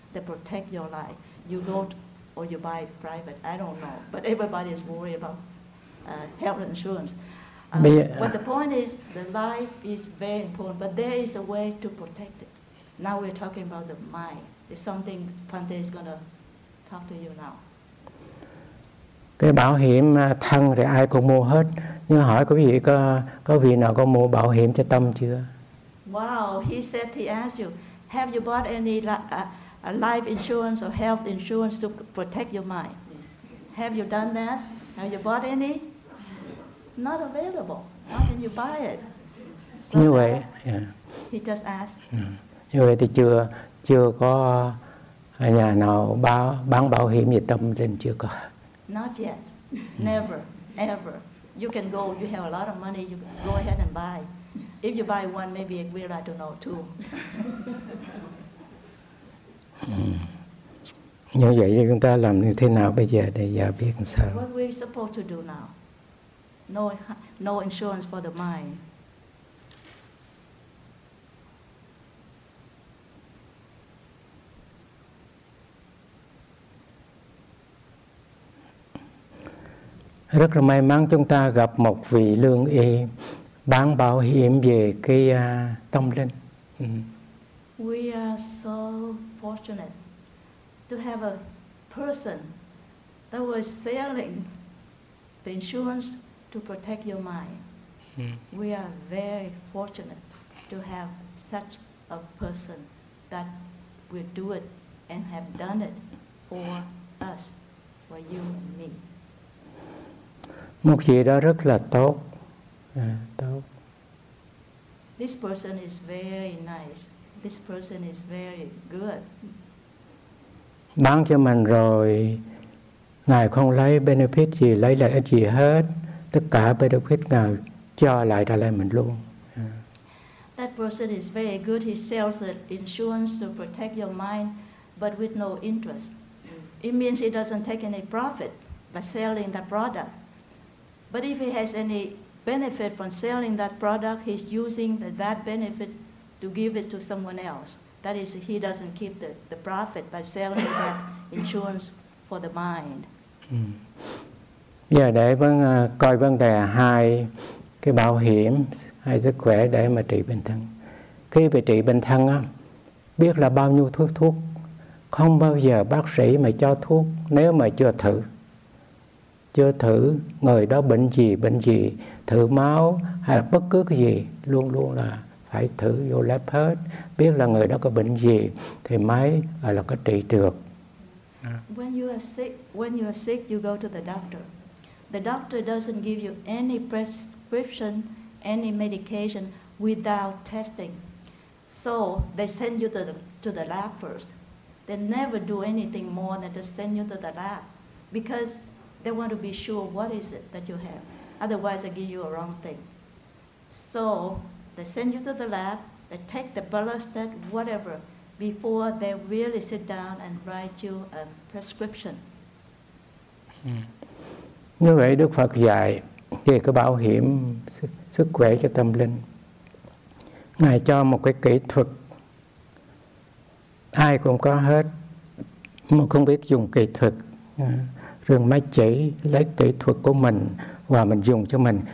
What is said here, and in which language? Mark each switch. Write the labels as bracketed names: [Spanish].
[English] They protect your life. You don't, or you buy it private. I don't know. But everybody is worried about health insurance. But the point is, the life is very important. But there is a way to protect it. Now we're talking about the mind. It's something Bhante is going to talk to you now. [Vietnamese] Cái bảo hiểm thân thì ai cũng mua hết. Nhưng hỏi quý vị có vị nào có mua bảo hiểm cho tâm chưa? [English] Wow, he said, he asked you, have you bought any life insurance or health insurance to protect your mind? Have you done that? Have you bought any? Not available. How can you buy it? [Vietnamese] So như vậy, [English] he just asked. [Vietnamese] Như vậy thì chưa có nhà nào bán bảo hiểm về tâm nên chưa có. [English] Not yet. Never, ever. You can go, you have a lot of money, you can go ahead and buy. If you buy one, maybe it will, I don't know, two. [Vietnamese] Như vậy thì chúng ta làm như thế nào bây giờ để giờ biết làm sao? [English] What we supposed to do now? No insurance for the mind. [Vietnamese] Rất là may mắn chúng ta gặp một vị lương y bán bảo hiểm về cái tâm linh. [English] We are so fortunate to have a person that was selling the insurance to protect your mind. We are very fortunate to have such a person that will do it and have done it for us, for you and me. [Vietnamese] Một vị đó rất là tốt. Tốt. [English] This person is very nice. This person is very good. [Vietnamese] Bán cho mình rồi, ngài không lấy benefit gì, lấy lợi ích gì hết. Tất cả benefit ngài cho lại trả lại mình luôn. [English] That person is very good. He sells the insurance to protect your mind, but with no interest. It means he doesn't take any profit by selling that product. But if he has any benefit from selling that product, he's using that benefit to give it to someone else. That is, he doesn't keep the profit by selling that insurance for the mind. [Vietnamese] Giờ để coi vấn đề hai cái bảo hiểm, hai sức khỏe để mà trị bệnh thân. Khi bị trị bệnh thân á, biết là bao nhiêu thuốc, không bao giờ bác sĩ mà cho thuốc nếu mà chưa thử. Chưa thử người đó bệnh gì, thử máu hay là bất cứ cái gì, luôn luôn là phải thử vô lab hết, biết là người đó có bệnh gì thì mới gọi là có trị được. [English] When you are sick, you go to the doctor. The doctor doesn't give you any prescription, any medication without testing. So they send you to the lab first. They never do anything more than to send you to the lab because they want to be sure what is it that you have. Otherwise, they give you a wrong thing. So they send you to the lab, they take the blood test, whatever, before they really sit down and write you a prescription. [Vietnamese] Như vậy Đức Phật dạy về cái bảo hiểm sức khỏe cho tâm linh. Ngài cho một cái kỹ thuật ai cũng có hết, mà không biết dùng kỹ thuật. Rừng máy chỉ lấy kỹ thuật của mình và mình dùng cho mình.